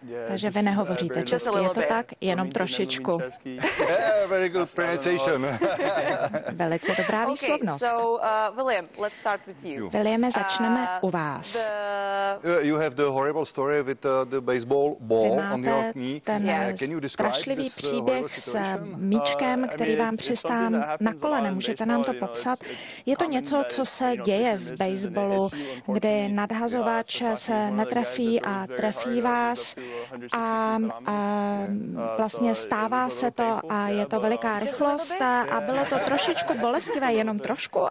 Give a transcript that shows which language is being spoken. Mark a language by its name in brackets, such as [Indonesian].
[Czech] Yeah, takže vy nehovoříte česky, je to tak? Jenom trošičku. [English] Very good pronunciation. [Czech] Velice dobrá výslovnost. [English] Okay, so, William, let's start with you. [Czech] Williame, začneme u vás. [English] You have the horrible story with the baseball. Ball [Czech] vy máte ten strašlivý příběh s míčkem, který vám přistál na kole. Nemůžete nám to popsat? Je to něco, co se děje v baseballu, kdy nadhazovač se netrefí a trefí vás a vlastně stává se to a je to veliká rychlost a bylo to trošičku bolestivé, jenom trošku?